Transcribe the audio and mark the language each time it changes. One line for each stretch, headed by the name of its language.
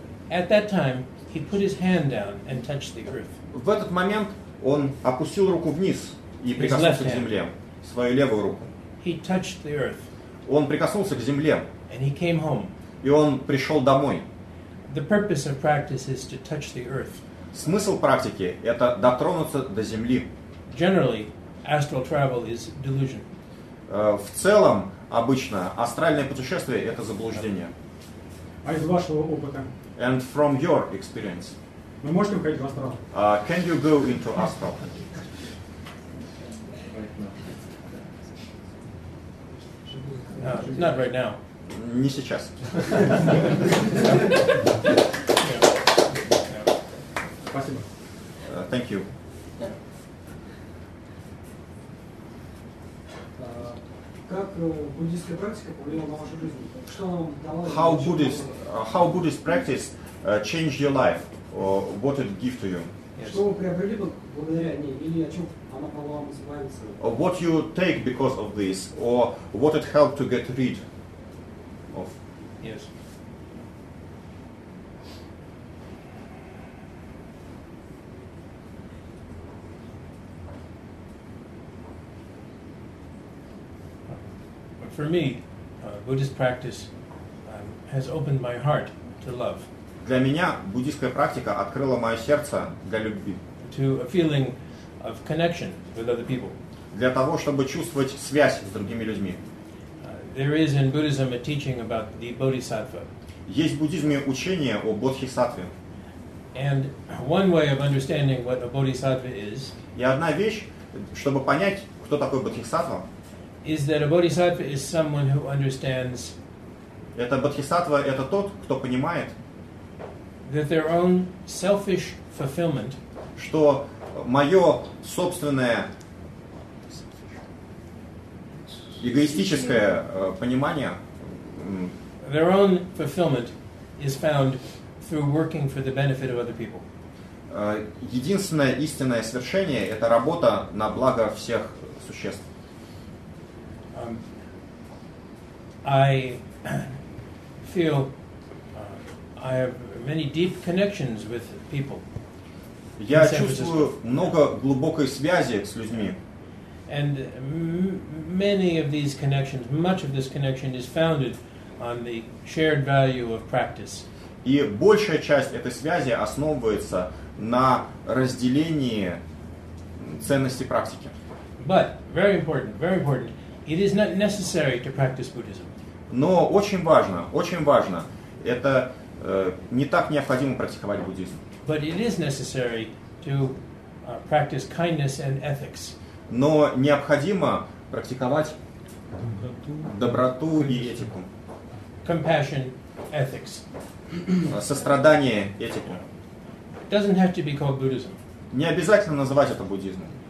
English: At that time, he put his hand down and touched the earth.
Russian: В этот момент он опустил руку вниз и прикоснулся к земле, свою левую руку.
English: He touched the earth.
Russian: Он прикоснулся к земле.
English: And he came home.
Russian: И он пришел домой.
English: The purpose of practice is to touch the earth.
Russian: Смысл практики — это дотронуться до земли.
English: Generally, astral travel is delusion.
Russian: В целом, обычно астральное путешествие — это заблуждение. А из вашего опыта?
English: And from your experience.
Russian: Вы можете уходить в астрал?
English: Can you go into astral? Not right now.
Russian: Не сейчас. Спасибо.
English: Thank you.
Russian: Как буддийская практика повлияла на вашу жизнь? Что она вам дала?
English: How Buddhist practice changed your life? What did it give to you?
Russian: Что вы приобрели благодаря ней? Или о чем она помогла вам избавиться?
English: What you take because of this? Or what it helped to get rid of? Yes. For me, Buddhist practice has opened my heart to love.
Russian: Для меня буддийская практика открыла мое сердце для любви.
English: To a feeling of connection with other people.
Russian: Для того, чтобы чувствовать связь с другими людьми.
English: There is in Buddhism a teaching about the Bodhisattva.
Russian: Есть в буддизме учение о Бодхисаттве.
English: And one way of understanding what a Bodhisattva is.
Russian: И одна вещь, чтобы понять, кто такой Бодхисаттва.
English: Is that a bodhisattva is someone who understands?
Russian: Это бодхисаттва это тот, кто понимает.
English: That their own selfish fulfillment.
Russian: Что мое собственное эгоистическое понимание.
English: Their own fulfillment is found through working for the benefit of other people.
Russian: Единственное истинное свершение это работа на благо всех существ.
English: I feel I have many deep connections with people.
Russian: Я чувствую много глубокой связи с людьми.
English: And many of these connections, much of this connection is founded on the shared value of practice.
Russian: И большая часть этой связи основывается на разделении ценности практики.
English: But very important, very important. It is not necessary to practice Buddhism.
Russian: Но очень важно, это не так необходимо практиковать буддизм.
English: But it is necessary to practice kindness and ethics.
Russian: Но необходимо практиковать доброту и этику.
English: Compassion, ethics.
Russian: Сострадание, этику.
English: Doesn't have to be called Buddhism.
Russian: Не обязательно называть это буддизмом.